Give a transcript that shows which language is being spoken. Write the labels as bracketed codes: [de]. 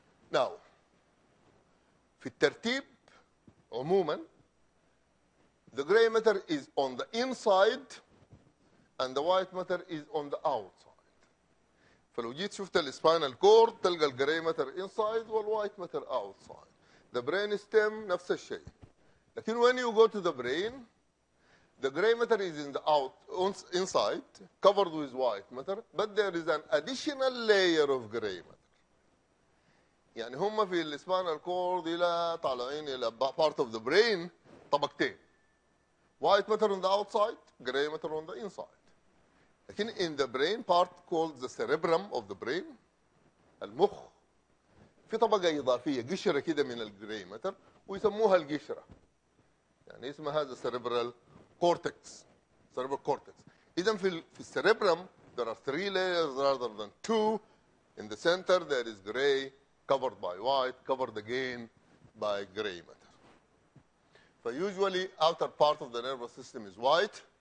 [en] Now, [ar] في الترتيب عموما, [en] the gray matter is on the inside and the white matter is on the outside. [ar] فلو جيت شفت [en] السبينال كورد [ar] تلقى [en] الجراي matter inside والوايت matter outside. The brain stem [ar] نفس الشيء. [en] لكن when you go to the brain, the gray matter is in the out, inside, covered with white matter, but there is an additional layer of gray matter. [ar] يعني هم في [en] السبينال كورد [ar] الى طالعين الى [en] part of the brain [ar] طبقتين, [en] White matter on the outside, gray matter on the inside. [ar] لكن [en] in the brain part called the cerebrum of the brain, [ar] المخ, في طبقه اضافيه قشره كده من [en] الجراي ماتر [ar] ويسموها القشره, يعني اسمها هذا [en] Cerebral cortex, cerebral cortex. [ar] اذا في [en] السيريبرم there are three layers rather than two. In the center there is gray covered by white, covered again by gray matter. But usually outer part of the nervous system is white.